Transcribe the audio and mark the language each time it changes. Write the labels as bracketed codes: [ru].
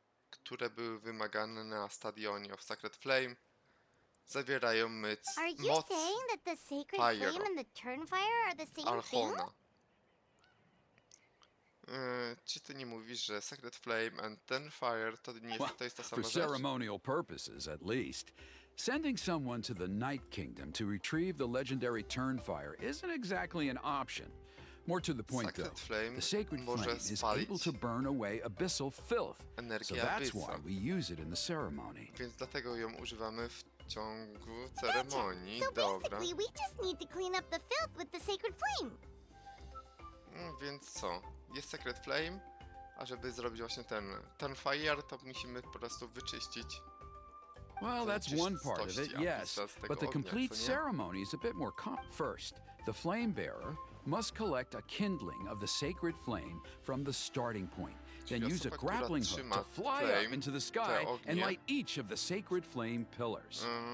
[pl] Które były wymagane na stadionie of Sacred Flame, zawierają moc Pyro. [en] Are you saying that the Sacred Flame and the Turnfire are the same thing? [pl] Czy ty nie mówisz, że Sacred Flame and Turnfire to nie jest, to jest ta sama [en] rzecz? For ceremonial purposes, at least, sending someone to the Night Kingdom to retrieve the legendary Turnfire isn't exactly an option. More to the point, Sacred though, the Sacred Flame is able to burn away abyssal filth, so that's why we use it in the ceremony. [pl] Więc dlatego ją używamy w ciągu ceremonii. Dobra. [en] So basically, we just need to clean up the filth with the Sacred Flame. [pl] Więc co? Jest Sacred Flame, a żeby zrobić właśnie ten fire, to musimy po prostu wyczyścić. [en] Well, that's one part of it, yes, but the complete ceremony is a bit more complex. First, the flame bearer must collect a kindling of the sacred flame from the starting point then use a grappling hook to fly up into the sky and light each of the sacred flame pillars.